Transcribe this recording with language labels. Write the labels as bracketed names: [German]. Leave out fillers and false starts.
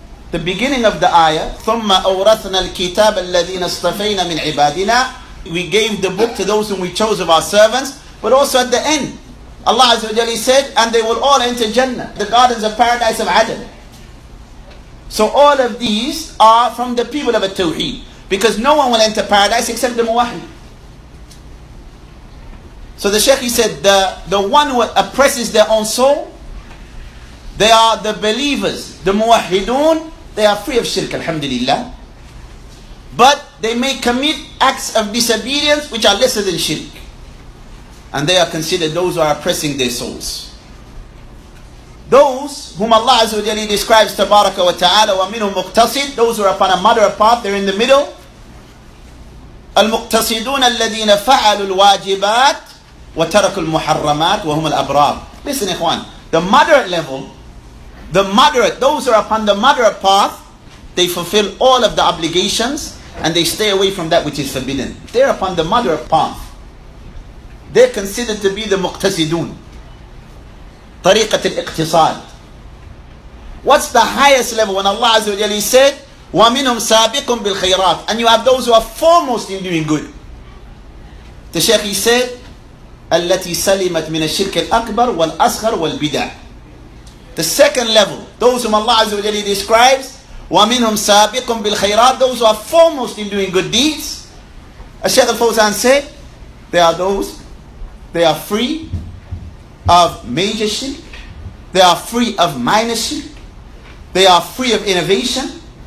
[Arabic] The beginning of the ayah, ثُمَّ أَوْرَثْنَا الْكِتَابَ الَّذِينَ اصْطَفَيْنَا مِنْ عِبَادِنَا. [English] We gave the book to those whom we chose of our servants. But also at the end, Allah Azza wa Jalla said, and they will all enter Jannah, the gardens of paradise of Adam. So all of these are from the people of At-Tawheed. Because no one will enter paradise except the Muwahid. So the Shaykh, he said, the one who oppresses their own soul, they are the believers, the Muwahidun, they are free of shirk, alhamdulillah. But they may commit acts of disobedience which are lesser than shirk. And they are considered those who are oppressing their souls. Those whom Allah Azza wa Jalla describes, Tabaraka wa Ta'ala, [Arabic] wa minhum muqtasid, [English] those who are upon a moderate path, they're in the middle. [Arabic] المقتصدون الذين فعلوا الواجبات وتركوا المحرمات وهم الأبرار. [English] Listen, Ikhwan, the moderate level, the moderate, those who are upon the moderate path, they fulfill all of the obligations and they stay away from that which is forbidden. They're upon the moderate path. They're considered to be the muqtasidun. [Arabic] طريقة الاقتصاد. [English] What's the highest level? When Allah Azza wa Jalla said, [Arabic] وَمِنْهُمْ سَابِقٌ بِالْخَيْرَاتِ, [English] and you have those who are foremost in doing good. [Arabic] The Shaykh, he said, أَلَّتِي سَلِمَتْ مِنَ الشِّرْكِ الْأَكْبَرُ وَالْأَصْغَرُ وَالْبِدَعِ. [English] The second level, those whom Allah Azza wa Jalla describes, [Arabic] وَمِنْهُمْ سَابِقٌ بِالْخَيْرَاتِ, [English] those who are foremost in doing good deeds. As Shaykh al-Fawzan said, they are those, they are free of major shirk, they are free of minor shirk, they are free of innovation.